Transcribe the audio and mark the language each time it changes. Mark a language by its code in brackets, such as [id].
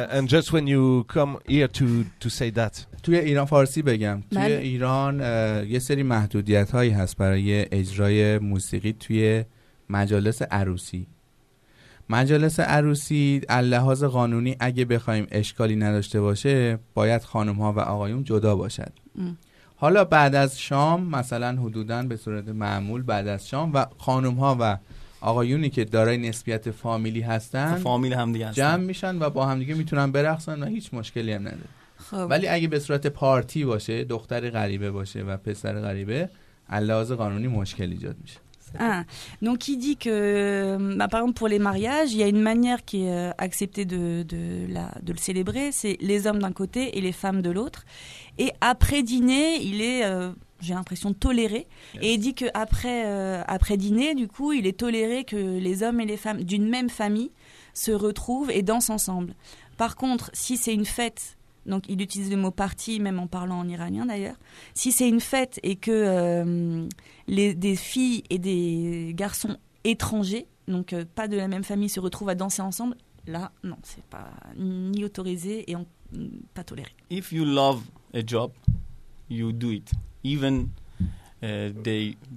[en] and just when you come here to say that [fa] توی ایران فارسی بگم توی ایران یه سری محدودیت هایی هست برای اجرای موسیقی توی مجالس عروسی. مجالس عروسی اللحاظ قانونی اگه بخوایم اشکالی نداشته باشه باید خانم ها و آقایون جدا باشد. حالا بعد از شام مثلا حدوداً به صورت معمول بعد از شام و خانم ها و آقایونی که دارای نسبیت فامیلی هستن فامیل هم دیگه جمع میشن و با هم دیگه میتونن برقصن و هیچ مشکلی هم نداره. ولی اگه به صورت پارتی باشه، دختر غریبه باشه و پسر غریبه، اللحاظ قانونی مشکل ایجاد میشه. [fr] Ah, donc il dit que, bah, par exemple pour les mariages, il y a une manière qui est acceptée de le célébrer, c'est les hommes d'un côté et les femmes de l'autre. Et après dîner, il est, j'ai l'impression, toléré. Yes. Et il dit qu'après après dîner, du coup, il est toléré que les hommes et les femmes d'une même famille se retrouvent et dansent ensemble. Par contre, si c'est une fête... Donc il utilise le mot party même en parlant en iranien d'ailleurs. Si c'est une fête et que des filles et des garçons étrangers, donc pas de la même famille, se retrouvent à danser ensemble, là non, c'est pas ni autorisé et pas toléré. [en] If you love a job, you do it, even they